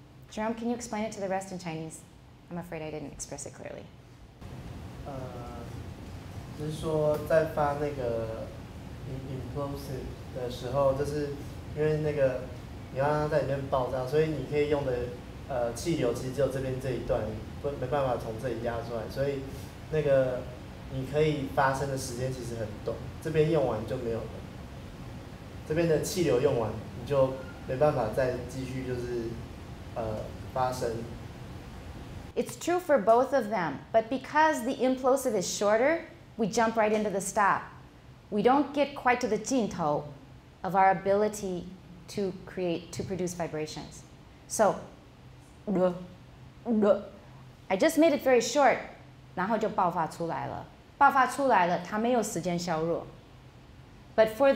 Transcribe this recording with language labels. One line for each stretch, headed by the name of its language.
English: Jerome, can you explain it to the rest in Chinese? I'm afraid I didn't express it clearly.
Chinese: 就是说在发那个 implosive的时候 就是因为那个你刚刚在里面爆炸所以你可以用的气流其实只有这边这一段没办法从这里压出来所以那个你可以发声的时间其实很短这边用完就没有了这边的气流用完你就没办法再继续就是发声
English: It's true for both of them, but because the implosive is shorter, we jump right into the stop. We don't get quite to the 尽头 of our ability to create, to produce vibrations.
Chinese: So, I just made it very short, 然后就爆发出来了。爆发出来了,它没有时间消弱。 But